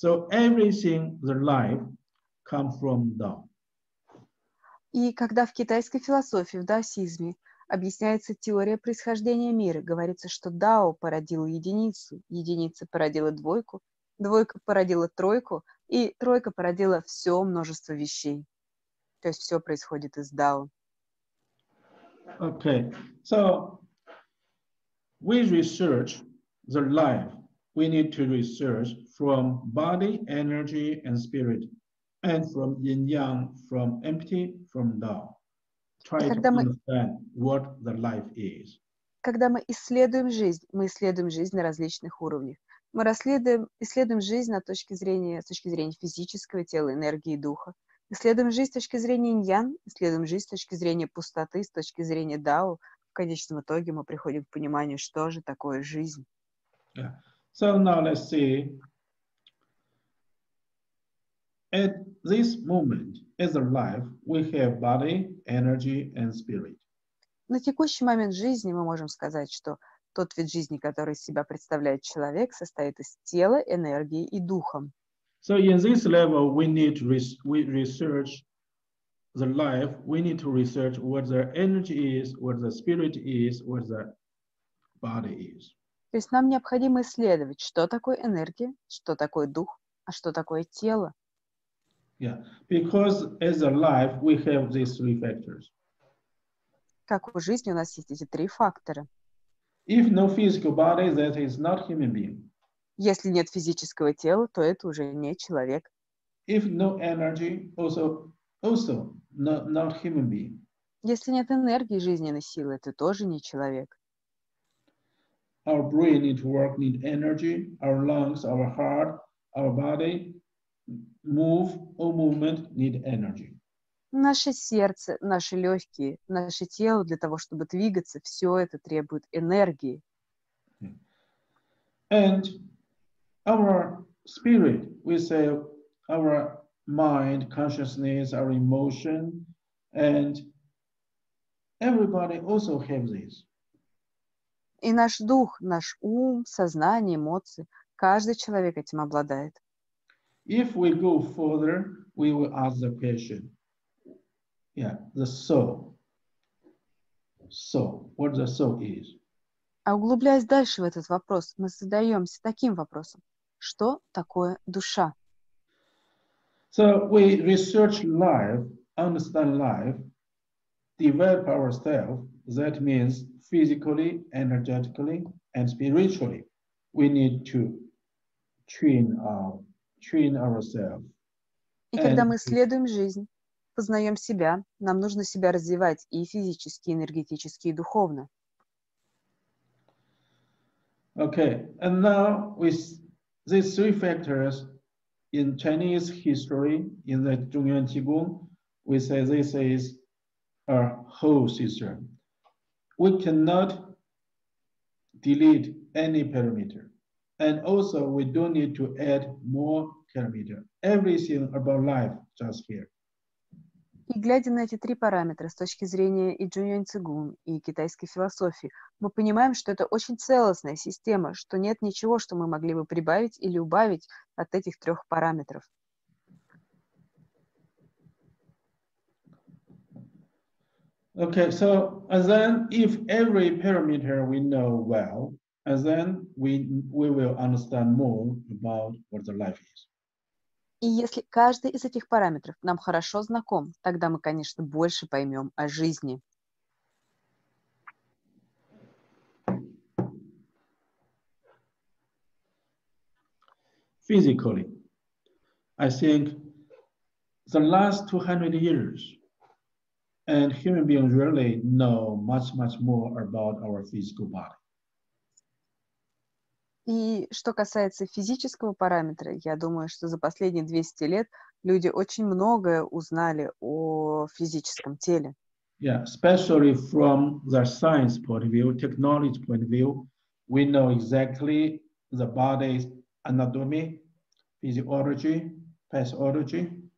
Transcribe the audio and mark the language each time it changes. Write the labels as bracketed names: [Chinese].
[English] So everything, the life, come from Tao. [Russian] И когда в китайской философии, в даосизме, объясняется теория происхождения мира, говорится, что Дао породило единицу, единица породила двойку, двойка породила тройку, и тройка породила все множество вещей. То есть все происходит из Дао. [English] Okay, so we research the life. We need to research from body, energy and spirit. And from yin yang, from empty, from Tao. Try to understand what the life is. [Russian] Когда мы исследуем жизнь, мы исследуем жизнь на различных уровнях. Мы исследуем жизнь на с точки зрения физического тела, энергии и духа. Исследуем жизнь с точки зрения иньян, исследуем жизнь с точки зрения пустоты, с точки зрения Дао. В конечном итоге мы приходим к пониманию, что же такое жизнь. [English] So now let's see. At this moment, as a life, we have body, energy, and spirit. [Russian] На текущий момент жизни мы можем сказать, что тот вид жизни, который из себя представляет человек, состоит из тела, энергии и духа. [English] So in this level, we need to research the life. We need to research what the energy is, what the spirit is, what the body is. [Russian] То есть нам необходимо исследовать, что такое энергия, что такое дух, а что такое тело. [English] Yeah, because as a life, we have these three factors. [Russian] Как у жизни у нас есть эти три фактора. [English] If no physical body, that is not human being. [Russian] Если нет физического тела, то это уже не человек. [English] If no energy, also not human being. [Russian] Если нет энергии, жизненной силы, это тоже не человек. [English] Our brain needs work, need energy. Our lungs, our heart, our body. Move or movement need energy. [Russian] Наше сердце, наши легкие, наше тело для того, чтобы двигаться, все это требует энергии. [English] And our spirit, we say our mind, consciousness, our emotion, and everybody also have this. [Russian] И наш дух, наш ум, сознание, эмоции, каждый человек этим обладает. [English] If we go further, we will ask the question. Yeah, the soul. Soul. What the soul is. [Russian] А углубляясь дальше в этот вопрос, мы задаемся таким вопросом. Что такое душа? [English] So we research life, understand life, develop ourselves. That means physically, energetically, and spiritually. We need to train ourselves. [Russian] И когда мы исследуем жизнь, познаем себя, нам нужно себя развивать и физически, и энергетически, и духовно. [English] Okay, and now with these three factors in Chinese history, in the Zhongyuan Qigong, we say this is our whole system. We cannot delete any parameter. And also we don't need to add more parameter. Everything about life just here. [Russian] И глядя на эти три параметра с точки зрения и Джуньян Цигун, и китайской философии, мы понимаем, что это очень целостная система, что нет ничего, что мы могли бы прибавить или убавить от этих трех параметров. [English] Okay, so and then if every parameter we know well, and then we will understand more about what the life is. [Russian] И если каждый из этих параметров нам хорошо знаком, тогда мы, конечно, больше поймем о жизни. [English] Physically. I think the last 200 years, and human beings really know much, much more about our physical body. [Russian] И что касается физического параметра, я думаю, что за последние 200 лет люди очень многое узнали о физическом теле. [English] Yeah, especially from the science point of view, technology point of view, we know exactly the body's anatomy, physiology, pathology.